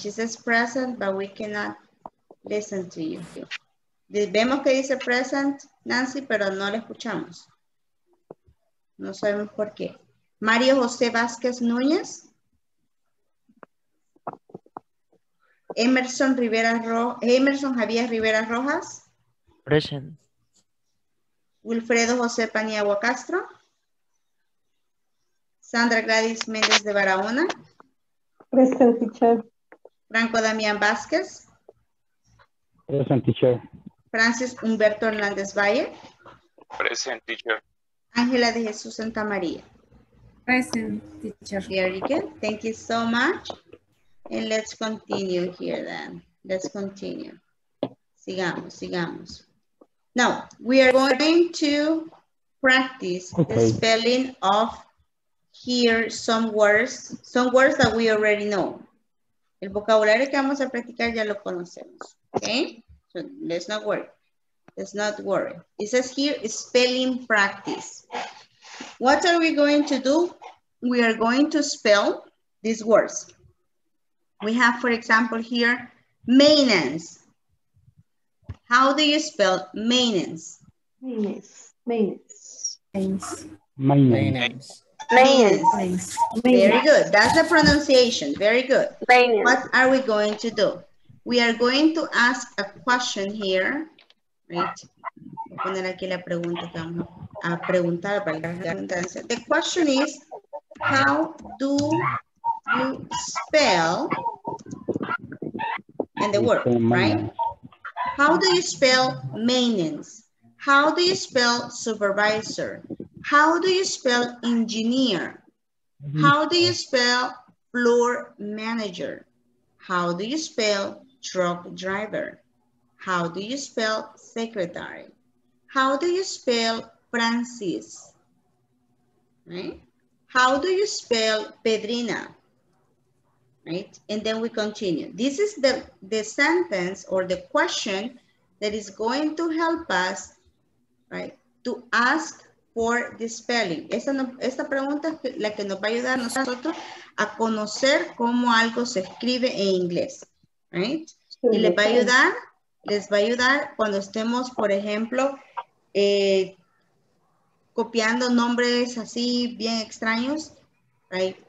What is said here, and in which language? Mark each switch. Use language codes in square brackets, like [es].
[en] She says present, but we cannot listen to you. [es] Vemos que dice present, Nancy, pero no la escuchamos. No sabemos por qué. Mario José Vázquez Núñez. Emerson Rivera Emerson Javier Rivera Rojas. [en] Present. [es] Wilfredo José Paniagua Castro. Sandra Gladys Méndez de Barahona. [en] Present, teacher. [es] Franco Damián Vázquez. [en] Present, teacher. [es] Francis Humberto Hernández Valle. [en] Present, teacher. [es] Ángela de Jesús Santa María. [en] Present, teacher. Very good. Thank you so much. And let's continue here then. Let's continue. [es] Sigamos, sigamos. [en] Now, we are going to practice the spelling of here some words that we already know. [es] El vocabulario que vamos a practicar ya lo conocemos. [en] Okay? So, let's not worry. Let's not worry. It says here, spelling practice. What are we going to do? We are going to spell these words. We have, for example, here, maintenance. How do you spell maintenance? Maintenance. Very good. That's the pronunciation. Very good. Maintenance. What are we going to do? We are going to ask a question here. Right? [es] Voy a poner aquí la pregunta que vamos a preguntar para la redundancia. [en] The question is, how do you spell and the word, right? How do you spell maintenance? How do you spell supervisor? How do you spell engineer? How do you spell floor manager? How do you spell truck driver? How do you spell secretary? How do you spell Francis? Right? How do you spell Pedrina? right? And then we continue. This is the sentence or the question that is going to help us, right, to ask for the spelling. [es] Esta pregunta es la que nos va a ayudar a nosotros a conocer cómo algo se escribe en inglés, right? Y les va a ayudar, cuando estemos, por ejemplo, copiando nombres así bien extraños, right?